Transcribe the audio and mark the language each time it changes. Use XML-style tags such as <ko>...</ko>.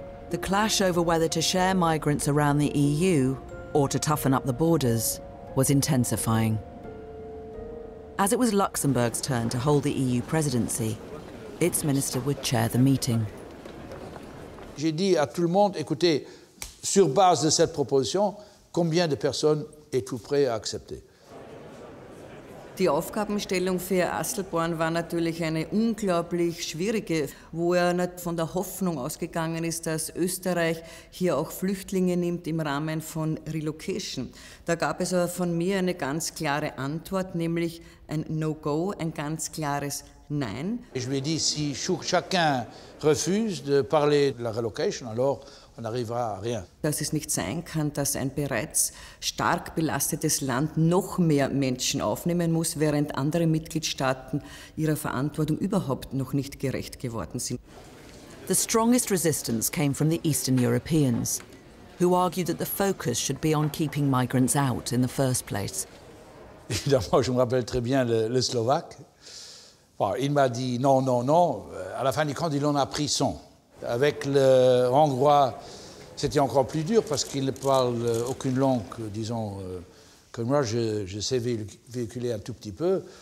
<en>The clash over whether to share migrants around the EU or to toughen up the borders was intensifying. As it was Luxembourg's turn to hold the EU presidency, its minister would chair the meeting.</en> <fr>J'ai dit à tout le monde, écoutez, sur base de cette proposition, combien de personnes êtes-vous prêts à accepter?</fr> <de>Die Aufgabenstellung für Asselborn war natürlich eine unglaublich schwierige, wo er nicht von der Hoffnung ausgegangen ist, dass Österreich hier auch Flüchtlinge nimmt im Rahmen von Relocation. Da gab es aber von mir eine ganz klare Antwort, nämlich ein No-Go, ein ganz klares Nein.</de> <fr>Ich lui ai dit, si chacun refuse de parler de la relocation, alors on arrivera à rien.</fr> <de>Dass es nicht sein kann, dass ein bereits stark belastetes Land noch mehr Menschen aufnehmen muss, während andere Mitgliedstaaten ihrer Verantwortung überhaupt noch nicht gerecht geworden sind.</de> <en>The strongest resistance came from the Eastern Europeans, who argued that the focus should be on keeping migrants out in the first place.</en> <fr>Évidemment, je me rappelle très bien le Slovaque. Bon, il m'a dit non, non, non. À la fin du compte, il en a pris son. Avec le Hongrois, c'était encore plus dur parce qu'il ne parle aucune langue, disons, que moi, je sais véhiculer un tout petit peu.</fr>